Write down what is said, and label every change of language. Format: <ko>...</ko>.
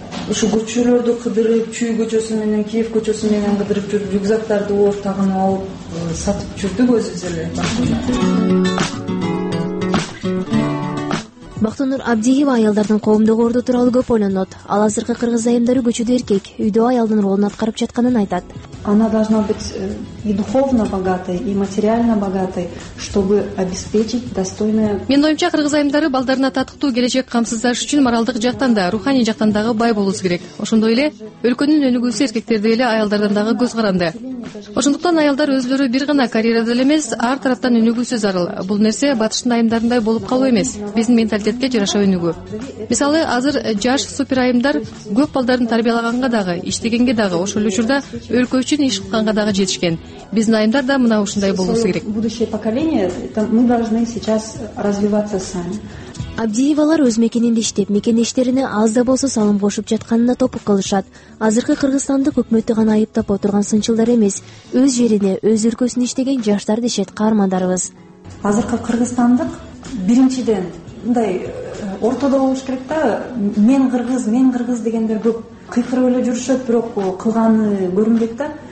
<ky>Ушу көчөлөрдү кыдырып, Чүй көчөсү менен Киев көчөсү менен кыдырып жүрүп, рюкзактарды ортагына алып сатып жүрдүк өзүбүз эле. Бактынур Абдиева аялдардын коомдогу орду тууралуу көп ойлонот. Ал азыркы кыргыз айымдары көчөдө эркек, үйдө аялдын ролун аткарып жатканын айтат.</ky> <ru>Она должна быть и духовно богатой, и материально богатой, чтобы обеспечить достойное.</ru> <ky>Менин оюмча кыргыз айымдары балдарына татыктуу келечек камсыздаш үчүн моралдык жактан да, руханий жактан дагы бай болуусу керек. Ошондой эле өлкөнүн өнүгүүсү эркектерде эле аялдардан дагы көз каранды. Ошондуктан аялдар өзлөрү бир гана карьерада эле эмес, ар тараптан өнүгүүсү зарыл. Бул нерсе батыштын айымдарындай болуп калуу эмес, биздин менталитетке жараша өнүгүү. Мисалы, азыр жаш супер айымдар көп балдарын тарбиялаганга дагы, иштегенге дагы, ошол эле учурда өлкө үчүн иш кылганга дагы жетишкен. Биздин айымдар да мына ушундай болуусу керек.</ky> <ru>Будущее поколение, мы должны сейчас развиваться сами.</ru> <ky>Абдиевалар өз мекенинде иштеп, мекендештерине аз да болсо салым кошуп жатканына топук кылышат. Азыркы кыргызстандык өкмөттү гана айыптап отурган сынчылдар эмес, өз жерине, өз өлкөсүнө иштеген жаштар дешет каармандарыбыз. Азыркы кыргызстандык биринчиден мындай ортодо болуш керек да, мен кыргыз, мен кыргыз дегендер көп кыйкырып эле жүрүшөт, бирок кылганы көрүнбөйт да.</ky>